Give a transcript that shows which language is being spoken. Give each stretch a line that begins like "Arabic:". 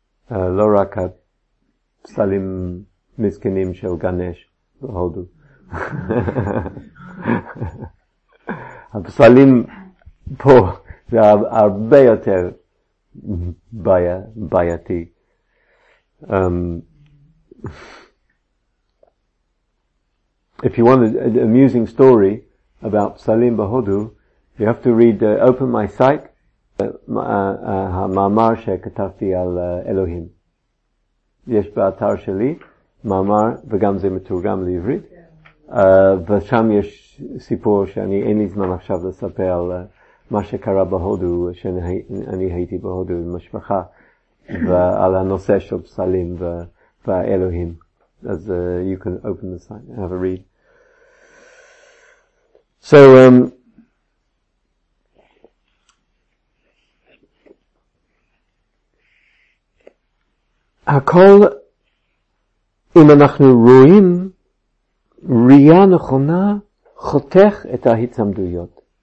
Hebrew: לא רק הפסלים מסכנים של גנש והודו. הפסלים פה זה הרבה יותר בעייתי.
English: If you want an amusing story about
Hebrew: פסלים בהודו,
English: you have to read Open My Sight,
Hebrew: המאמר שכתבתי על אלוהים. יש באתר שלי מאמר, וגם זה מתורגם לעברית, ושם יש סיפור שאני אין לי זמן עכשיו לספר על מה שקרה בהודו, שאני הייתי בהודו עם משפחה, ועל הנושא של פסלים ואלוהים.
English: אז you can open the site and have a read.
Hebrew: So הכל, אם אנחנו רואים ראייה נכונה, חותך את ההצמדויות.